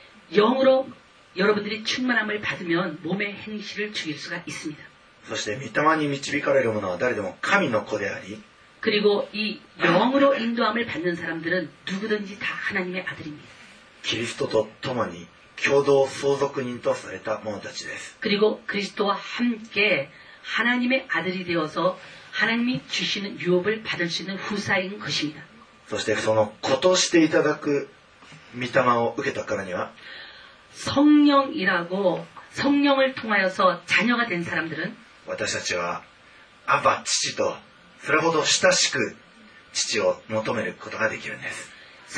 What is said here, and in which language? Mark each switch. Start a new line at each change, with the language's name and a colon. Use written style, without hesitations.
Korean: 영으로여러분들이충만함을받으면몸의행실을죽일수가있습니다
Japanese: そして御霊に導かれる者は誰でも神の子であり
Korean: 그리고이영으로인도함을받는사람들은누구든지다하나님의아들입니다
Japanese: キリストと共に共同相続人とされた者たちです
Korean: 그리고그리스도와함께하나님의아들이되어서하나님이주시는유업을받을수있는후사인것입니다
Japanese: そしてその子としていただく御霊を受けたからには
Korean: 성령이라고성령을통하여서자녀가된사람들은
Japanese: 私たちは아빠父とそれほど親しく父を求めることができるんです